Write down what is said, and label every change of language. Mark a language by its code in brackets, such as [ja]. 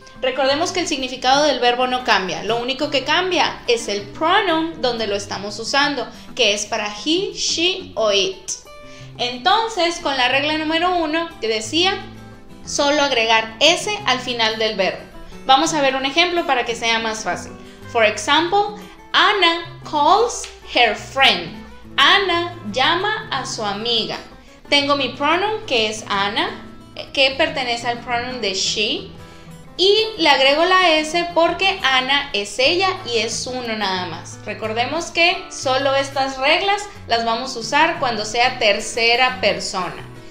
[es] Recordemos que el significado del verbo no cambia. Lo único que cambia es el pronoun donde lo estamos usando, que es para he, she o it. Entonces, con la regla número uno que decía, solo agregar S al final del verbo. Vamos a ver un ejemplo para que sea más fácil. [en] For example, Anna calls her friend. [es] Anna llama a su amiga. Tengo mi pronoun que es Anna, que pertenece al pronoun de she. Y le agrego la S porque Anna es ella y es uno nada más. Recordemos que solo estas reglas las vamos a usar cuando sea tercera persona.